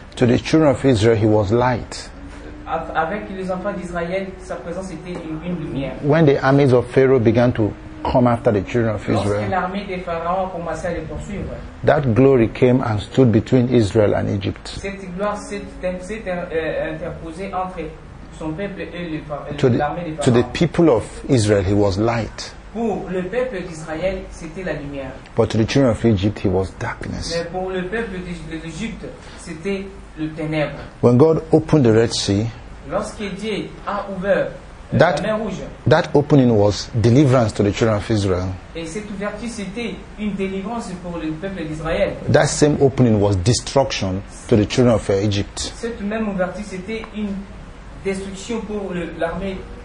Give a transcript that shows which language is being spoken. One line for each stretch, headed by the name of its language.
English: To the children of Israel, He was light.
French: Avec les enfants d'Israël, sa présence était une lumière.
English: When the armies of Pharaoh began to come after the children of Israel,
French: l'armée des pharaons commençait à les poursuivre,
English: that glory came and stood between Israel and Egypt.
French: Cette gloire s'est interposée entre son peuple et l'armée des pharaons.
English: To the people of Israel, He was light.
French: Pour le peuple d'Israël, c'était la lumière.
English: But to the children of Egypt, He was darkness.
French: Mais pour le peuple d'Égypte, c'était le ténèbre.
English: When God opened the Red Sea,
French: lorsque Dieu a ouvert la mer Rouge,
English: that opening was deliverance to the children of Israel.
French: Et cette ouverture, c'était une délivrance pour le peuple d'Israël.
English: That same opening was destruction to the children of Egypt.
French: Cette même ouverture, c'était une destruction pour l'armée.